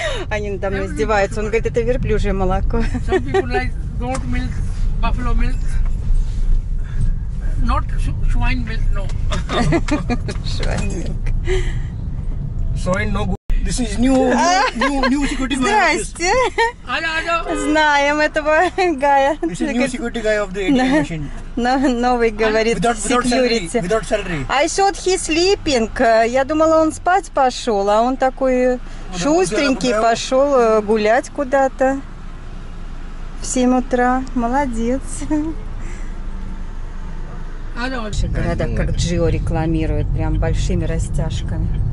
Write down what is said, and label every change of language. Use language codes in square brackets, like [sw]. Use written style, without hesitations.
[ru] Они надо мной издеваются. Он говорит, это верблюжье молоко. [en] Some people like goat milk, buffalo milk. Not swine milk, no. Swine milk. Swine, no good. This is new security guy. [ru] Здрасте. Алло. Знаем этого гая. [en] This is new security guy of the ATM machine. [ru] Но новый говорит [en] security. Without salary. I thought he's sleeping. [ru] Я думала, он спать пошел, а он такой шустренький пошел гулять куда-то в 7 утра. Молодец. Города как Джио рекламируют, прям большими растяжками.